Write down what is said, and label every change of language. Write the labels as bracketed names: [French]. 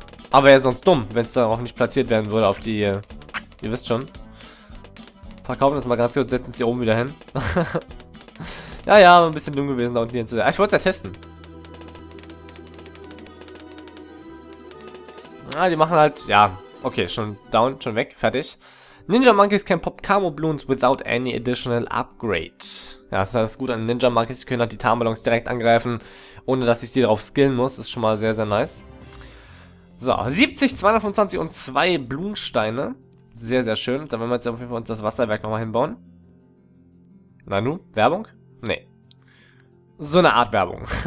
[German] Aber wäre sonst dumm, wenn es darauf nicht platziert werden würde, auf die... ihr wisst schon. Verkaufen das mal ganz kurz, setzen es hier oben wieder hin. Ja, ja, ein bisschen dumm gewesen, da unten hier zu sehen. Ah, ich wollte es ja testen. Ah, die machen halt... Ja, okay, schon down, schon weg, fertig. [English] Ninja Monkeys can pop Camo Balloons without any additional upgrade. [German] Ja, das ist das gut an Ninja Monkeys. Die können halt die Tarnballons direkt angreifen, ohne dass ich die darauf skillen muss. Das ist schon mal sehr, sehr nice. So, 70, 225 und 2 Bloonsteine. Sehr, sehr schön. Dann werden wir jetzt auf jeden Fall uns das Wasserwerk nochmal hinbauen. Nanu, Werbung? Nee. So eine Art Werbung.